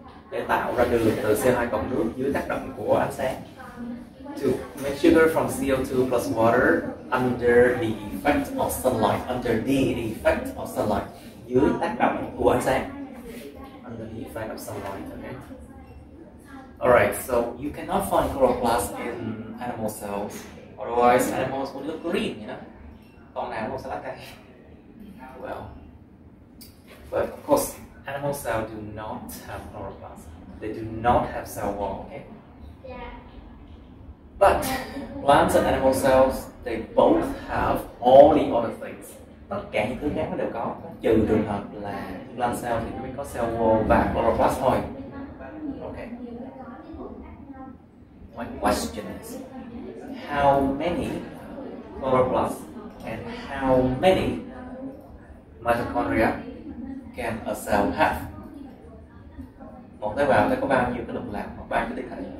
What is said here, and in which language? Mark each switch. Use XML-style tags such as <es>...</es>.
<vi>Để tạo ra đường từ CO2 cộng nước dưới tác động của ánh sáng.</vi> <en>To make sugar from CO2 plus water under the effect of sunlight. Under the effect of sunlight.</en> <vi>Dưới tác động của ánh sáng.</vi> <en>Under the effect of sunlight, okay? Alright, so you cannot find chloroplast in animal cells. Otherwise, animals would look green, you know?</en> <vi>Còn là animal sẽ lá cây.</vi> <en>Well, but of course, animal cells do not have chloroplasts. They do not have cell wall, okay? But plants and animal cells, they both have all the other things.</en> <vi>Tất cả những thứ khác nó đều có. Trừ trường hợp là plant cell thì nó mới có cell wall và chloroplast thôi.</vi> <en>Okay. My question is, how many chloroplasts and how many mitochondria can a cell have?</en> <vi>Một tế bào sẽ có bao nhiêu cái lục lạc hoặc bao nhiêu tinh thể?</vi>